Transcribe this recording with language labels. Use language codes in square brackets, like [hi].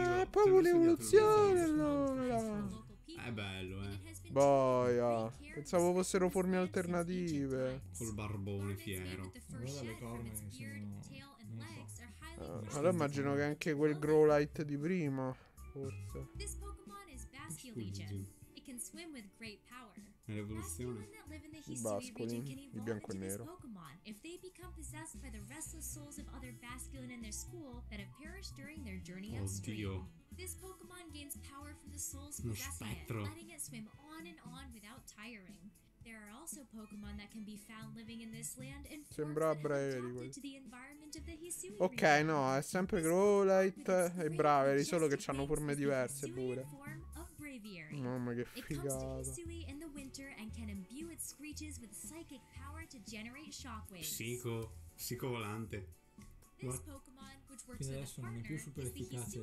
[it] Poi vuole evoluzione allora. È bello, eh. Boia, pensavo fossero forme alternative. Col barbone fiero. Guarda le corna che sono... Allora immagino che anche quel Growlithe di prima, forse. [en] This Pokemon is Basculegion. It can swim with great power. [it] L'evoluzione. I Basculin, il bianco e nero. [en] If they become possessed by the restless souls of other Basculin in their school that have perished during their journey upstream. This Pokemon gains power from the souls possessing it, letting it swim on and on without tiring. There are also Pokemon that can be found living in this land and [it] sembra Bravery questo. Ok, no, è sempre Growlithe e Bravery, solo che hanno forme diverse pure. Mamma che figata. [en] It comes to Hisui in the winter and can imbue its screeches with psychic power to generate shockwaves. [it] Psycho. Psicovolante. Fino adesso non è più super efficace.